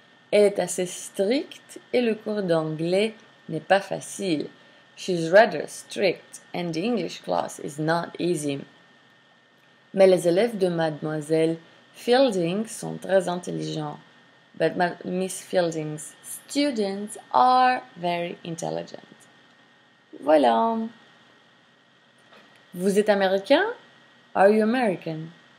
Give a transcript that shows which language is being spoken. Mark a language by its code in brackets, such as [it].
[fr] Elle est assez stricte et le cours d'anglais n'est pas facile. [en] She's rather strict and the English class is not easy. [fr] Mais les élèves de Mademoiselle Fielding sont très intelligents. [en] But Miss Fielding's students are very intelligent. Voilà. [fr] Vous êtes américain? [en] Are you American?